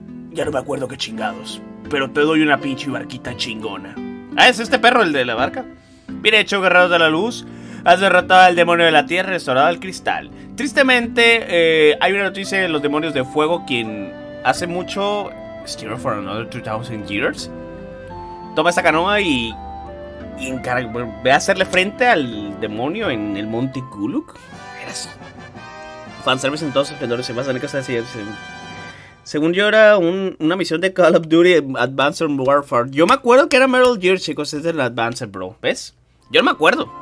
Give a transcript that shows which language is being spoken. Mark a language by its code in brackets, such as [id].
[es] Ya no me acuerdo qué chingados, pero te doy una pinche barquita chingona. Ah, ¿es este perro el de la barca? Bien hecho, guerreros de la luz. Has derrotado al demonio de la tierra y restaurado al cristal. Tristemente, hay una noticia de los demonios de fuego, quien hace mucho... [en] Steer for another 2,000 years. [es] Toma esa canoa y ve a hacerle frente al demonio en el monte Guluk. Fanservice en todos esplendores. Se va a tener que hacer así. Según yo, era una misión de Call of Duty Advanced Warfare. Yo me acuerdo que era Metal Gear, chicos. Es del Advanced, bro. ¿Ves? Yo no me acuerdo.